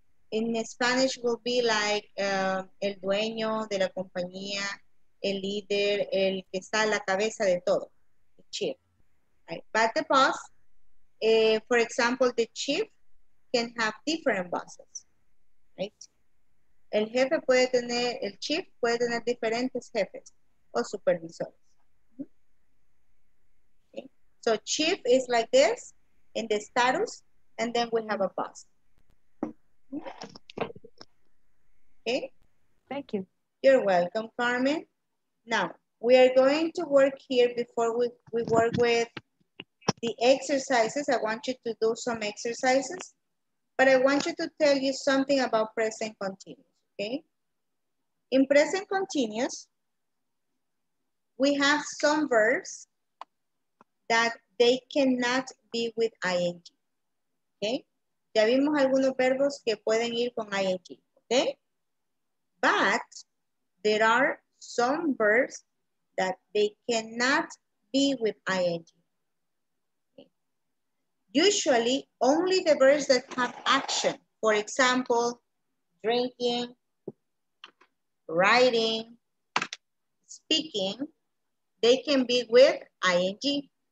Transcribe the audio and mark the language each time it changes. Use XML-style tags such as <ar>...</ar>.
<en>In Spanish will be like</en> <es>el dueño de la compañía, el líder, el que está a la cabeza de todo,</es> <en>the chief, right? But the boss, for example, the chief can have different bosses, right?</en> <es>El jefe puede tener, el chief puede tener diferentes jefes o supervisores.</es> <en>Okay. So chief is like this in the status, and then we have a boss. Okay? Thank you. You're welcome, Carmen. Now, we are going to work here before we work with the exercises. I want you to do some exercises, but I want you to tell you something about present continuous. Okay. In present continuous, we have some verbs that they cannot be with ing. Okay.</en> <es>Ya vimos algunos verbos que pueden ir con ing.</es> <en>Okay. But there are some verbs that they cannot be with ing. Okay. Usually, only the verbs that have action, for example, drinking, writing, speaking, they can be with ing.</en>